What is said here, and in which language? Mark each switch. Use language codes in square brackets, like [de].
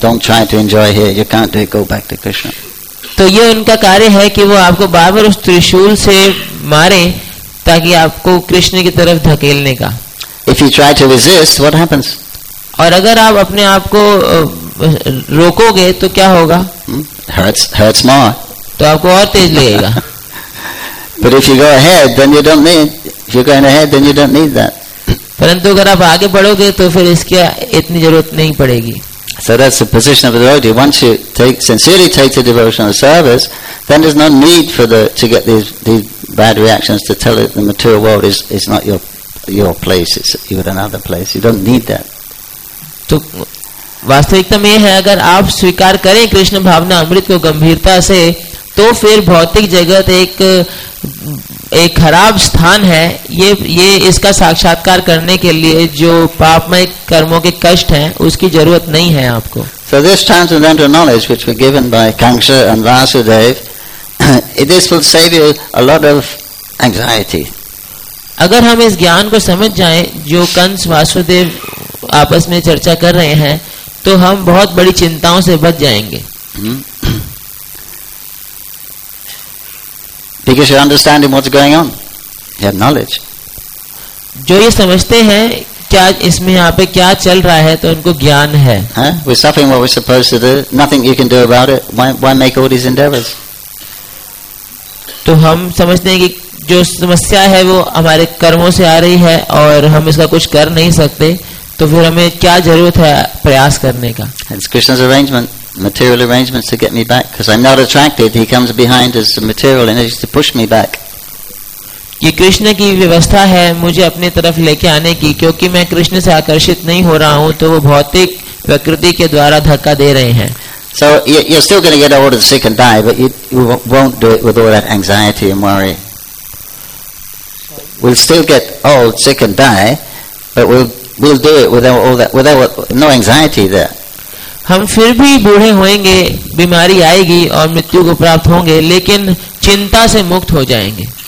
[hi] तो ये उनका कार्य है कि वो आपको बार बार उस त्रिशूल से मारे ताकि आपको कृष्ण की तरफ धकेलने का. [en] If you try to resist what happens. [hi] और अगर आप अपने आप को रोकोगे तो क्या होगा. [en] Hurts more. [hi] तो आपको और तेज लगेगा. [en] But if you go ahead, then you don't need. If you're going ahead, then you don't need that. [hi] परंतु अगर आप आगे बढ़ोगे तो फिर इसकी इतनी जरूरत नहीं पड़ेगी. [en] So that's the position of the devotee. Once you sincerely take the devotional service, then there's no need for to get these bad reactions to tell it the material world is not your place. It's you're at another place. You don't need that. [hi] तो वास्तविकता में है अगर आप स्वीकार करें कृष्ण भावना अमृत को गंभीरता से तो फिर भौतिक जगत एक खराब स्थान है. ये इसका साक्षात्कार करने के लिए जो पापमय कर्मों के कष्ट हैं उसकी जरूरत नहीं है आपको. [en] So this transcendental knowledge which was given by Kamsa and Vasudev, this will save you a lot of anxiety. [hi] अगर हम इस ज्ञान को समझ जाएं जो कंस वासुदेव आपस में चर्चा कर रहे हैं तो हम बहुत बड़ी चिंताओं से बच जाएंगे. [en] Because you're understanding what's going on, you have knowledge. [hi] जो ये समझते हैं क्या इसमें यहाँ पे क्या चल रहा है तो उनको ज्ञान है. [en] We're suffering what we're supposed to do. Nothing you can do about it. Why make all these endeavors? [hi] तो हम समझते हैं कि जो समस्या है वो हमारे कर्मों से आ रही है और हम इसका कुछ कर नहीं सकते तो फिर हमें क्या जरूरत है प्रयास करने का. [en] It's Krishna's arrangement. Material arrangements to get me back because I'm not attracted. He comes behind as material energy to push me back. [hi] ये कृष्ण की व्यवस्था है मुझे अपनी तरफ लेके आने की क्योंकि मैं कृष्ण से आकर्षित नहीं हो रहा हूँ तो वो भौतिक प्रकृति के द्वारा धक्का दे रहे हैं. [en] So you're still going to get old and sick and die, but you won't do it with all that anxiety and worry. We'll still get old, sick and die, but we'll do it without no anxiety there. [hi] हम फिर भी बूढ़े होंगे, बीमारी आएगी और मृत्यु को प्राप्त होंगे लेकिन चिंता से मुक्त हो जाएंगे.